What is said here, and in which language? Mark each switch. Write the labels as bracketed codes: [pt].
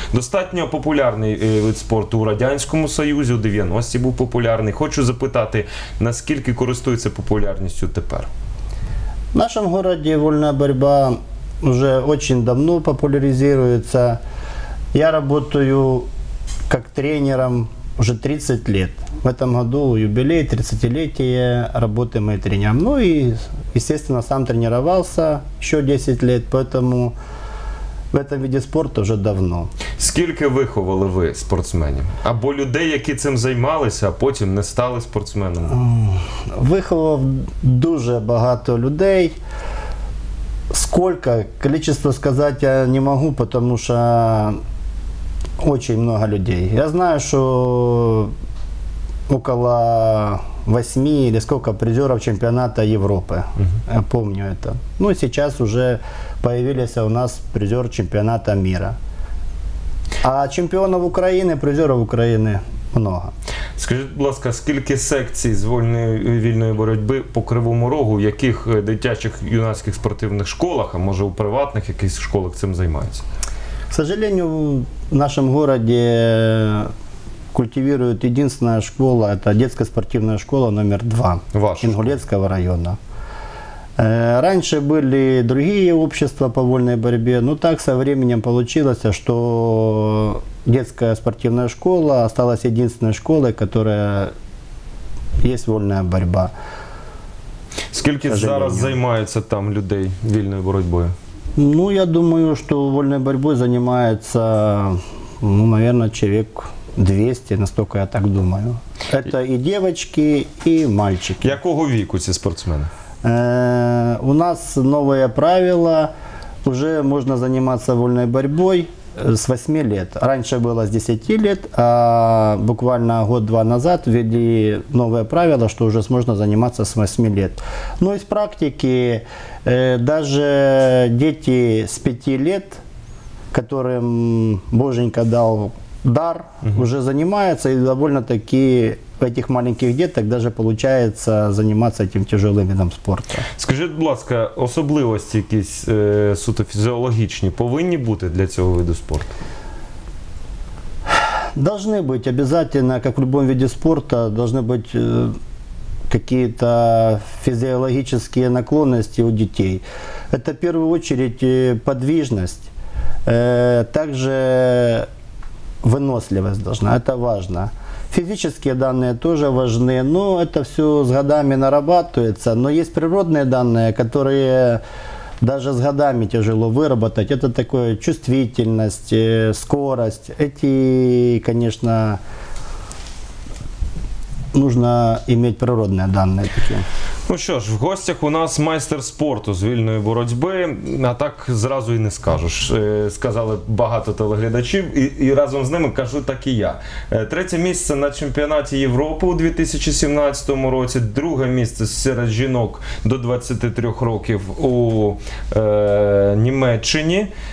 [uk] Достатньо популярний вид спорту у Радянському Союзі, у 90-ті був популярний. Хочу запитати, наскільки користується популярністю тепер? В нашому місті вільна боротьба вже дуже давно популяризується. Я працюю як тренером уже 30 лет. [ru] В этом году юбилей, 30-летие работы моим тренером. Ну и, естественно, сам тренировался еще 10 лет, поэтому в этом виде спорта уже давно. [uk] Скільки виховали ви спортсменів? Або людей, які цим займалися, а потім не стали спортсменами? Виховав дуже багато людей. [ru] Сколько, количество сказать я не могу, потому что очень много людей. Я знаю, что около 8 или сколько призеров чемпионата Европы. Uh-huh. Я помню это. Ну, сейчас уже появились у нас призер чемпионата мира. А чемпионов Украины, призеров Украины много. [uk] Скажіть, будь ласка, скільки секцій з вільної боротьби по Кривому Рогу, в яких дитячих юнацьких спортивних школах, а може у приватних якихось школах цим займаються? [ru] К сожалению, в нашем городе культивирует единственная школа, это детская спортивная школа номер 2 Ингулецкого района. Раньше были другие общества по вольной борьбе, но так со временем получилось, что детская спортивная школа осталась единственной школой, которая есть вольная борьба. Скільки зараз займаються там людей вільною боротьбою? Ну, я думаю, что вольной борьбой занимается, ну, наверное, человек 200, настолько я так думаю. Это и девочки, и мальчики. Какого [uk] віку ці спортсмени? [ru] У нас новые правила. Уже можно заниматься вольной борьбой с 8 лет. Раньше было с 10 лет, а буквально год-два назад ввели новое правило, что уже можно заниматься с 8 лет. Но из практики даже дети с 5 лет, которым Боженька дал дар, уже занимаются, и довольно-таки в этих маленьких деток даже получается заниматься этим тяжелым видом спорта. Скажите, [uk] будь ласка, особливості якісь суто фізіологічні повинні бути для цього виду спорту? [ru] Должны быть обязательно, как в любом виде спорта, должны быть какие-то физиологические наклонности у детей. Это в первую очередь подвижность. Также выносливость должна, это важно. Физические данные тоже важны, но это все с годами нарабатывается. Но есть природные данные, которые даже с годами тяжело выработать. Это такое чувствительность, скорость. Эти, конечно, нужно иметь природные данные такие. [uk] Ну що ж, в гостях у нас майстер спорту з вільної боротьби, а так зразу і не скажеш. Сказали багато телеглядачів, і разом з ними кажу так і я. Третє місце на чемпіонаті Європи у 2017 році, друге місце серед жінок до 23 років у Німеччині.